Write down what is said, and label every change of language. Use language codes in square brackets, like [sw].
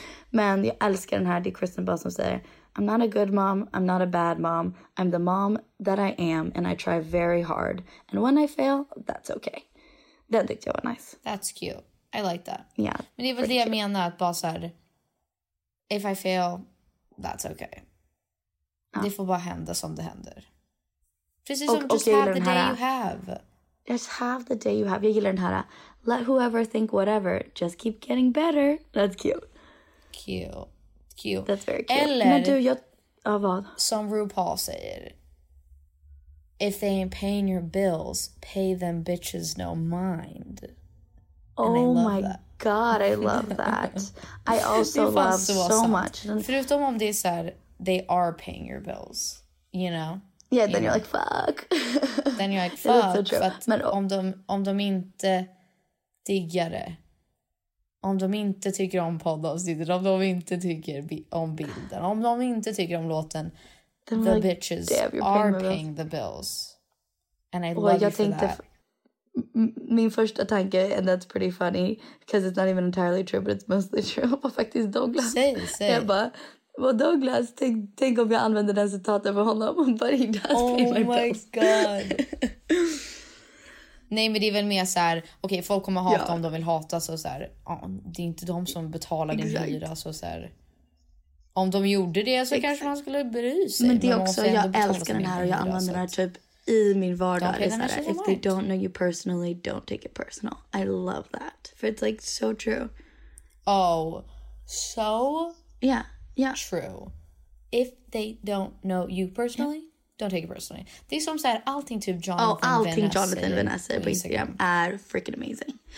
[sv] Men jag älskar den här, det är Kristen Bell som säger, [en] I'm not a good mom, I'm not a bad mom, I'm the mom that I am and I try very hard. And when I fail, that's okay. [sv] Den tyckte jag var nice. [en] That's cute, I like that. Yeah, [sv] men det är väl det jag menar, att bara såhär, [en] if I fail, that's okay. [sv] Det får bara hända som det händer. Precis som, [en] just have the day you have. Just have the day you have. Jag gillar den här. Let whoever think whatever, just keep getting better. That's cute. Cute. That's very cute. [sv] Eller, men du, jag, vad? Som RuPaul säger, [en] if they ain't paying your bills, pay them bitches no mind. Oh my god, I love that. I also love so much. [sv] Förutom om det är så här, [en] they are paying your bills, you know? Yeah, then you're like, fuck. Then you're like, fuck. [sv] Yeah, so att men, om de inte diggar det. Om de inte tycker om poddavsnittet. Om de inte tycker om bilden. Om de inte tycker om låten. [en] Then the like, bitches are paying the bills. And I love you for that. [sv] Min första tanke, [en] and that's pretty funny, because it's not even entirely true, but it's mostly true, [sv] var faktiskt Douglas. [en] Say. [sv] Jag bara, well, Douglas, tänk om jag använder den citaten för honom, [en] but he does oh pay my bills. Oh my god. [sv] Nej, men det är väl mer så här, okej, okay, folk kommer hata om de vill hata, så här, det är inte de som betalar din hyra, så här. Om de gjorde det så kanske man skulle bry sig. Men det är också, jag älskar den här och jag använder den här typ i min vardag, okay, så här, [en] if they don't know you personally, don't take it personal. I love that. For it's like so true. Oh, so yeah. True. If they don't know you personally, don't take it personally. [sv] Det är som så här, allting typ Jonathan Vanessa. Oh, allting Jonathan Vanessa på Instagram är freaking amazing.